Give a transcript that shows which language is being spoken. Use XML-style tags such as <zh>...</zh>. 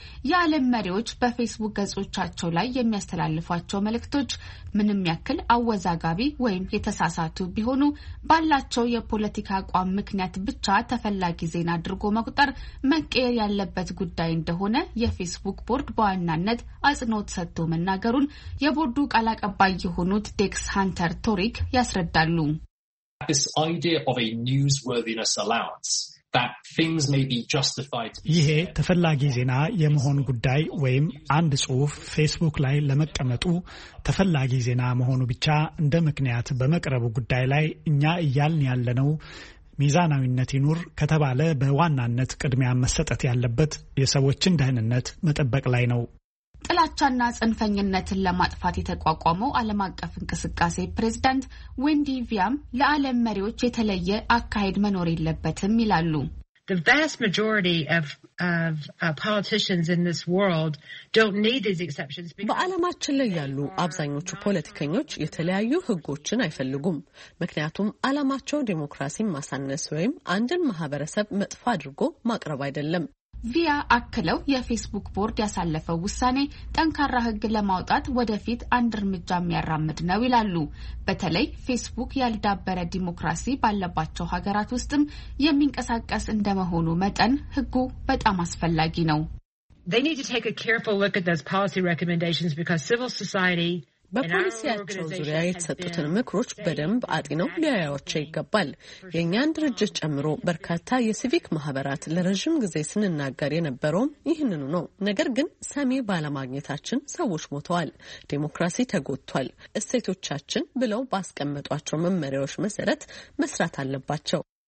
<am>የዓለም መሪዎች በፌስቡክ ገጾቻቸው ላይ የሚያስተላልፏቸው መልእክቶች ምንም ያክል አወዛጋቢ ወይም የተሳሳቱ ቢሆኑ ባላቸው የፖለቲካ አቋም ምክንያት ብቻ ተፈላጊ ዜና አድርጎ መቁጠር መቀየር ያለበት ጉዳይ እንደሆነ የፌስቡክ ቦርድ በዋናነት አጽንኦት ሰጥቶ መናገሩን የቦርዱ ቃል አቀባይ የሆኑት ዴክስ ሃንተር ቶሪክ ያስረዳሉ።</am> <en>This idea of a newsworthiness allowance that things may be justified to be</en> <am>ይሄ ተፈላጊ ዜና የመሆን ጉዳይ ወይም አንድ ጽሑፍ Facebook ላይ ለመቀመጡ ተፈላጊ ዜና መሆኑ ብቻ እንደ ምክንያት በመቅረቡ ጉዳይ ላይ እኛ እያልን ያለነው ሚዛናዊነት ይኑር ከተባለ በዋናነት ቅድሚያ መሰጠት ያለበት የሰዎችን ደህንነት መጠበቅ ላይ ነው። ጥላቻና ጽንፈኝነትን ለማጥፋት የተቋቋመው ዓለም አቀፍ እንቅስቃሴ ፕሬዝዳንት ዌንዲ ቪያም ለዓለም መሪዎች የተለየ አካሄድ መኖር የለበትም ይላሉ።</am> <en>The vast majority of politicians in this world don't need these exceptions because</en> <am>በዓለማችን ላይ ያሉ አብዛኞቹ ፖለቲከኞች የተለያዩ ህጎችን አይፈልጉም። ምክንያቱም ዓለማቸው ዲሞክራሲን ማሳነስ ወይም አንድን ማህበረሰብ መጥፋ አድርጎ ማቅረብ አይደለም። ቪያ አክለው የፌስቡክ ቦርድ ያሳለፈው ውሳኔ ጠንካራ ህግ ለማውጣት ወደፊት አንድ እርምጃ የሚያራምድ ነው ይላሉ። በተለይ ፌስቡክ ያልዳበረ ዲሞክራሲ ባለባቸው ሀገራት ውስጥም የሚንቀሳቀስ እንደመሆኑ መጠን ህጉ በጣም አስፈላጊ ነው።</am> <en>They need to take a careful look at those policy recommendations because civil society</en> <am>በፖሊሲያቸው ዙሪያ የተሰጡትን ምክሮች በደንብ አጥነው ሊያዩዋቸው ይገባል። የእኛን ድርጅት ጨምሮ በርካታ የሲቪክ ማህበራት ለረዥም ጊዜ ስንናገር የነበረውም ይህንኑ ነው። ነገር ግን ሰሚ ባለማግኘታችን ሰዎች ሞተዋል፣ ዴሞክራሲ ተጎድቷል፣ እሴቶቻችን ብለው ባስቀመጧቸው መመሪያዎች መሰረት መስራት አለባቸው።</am>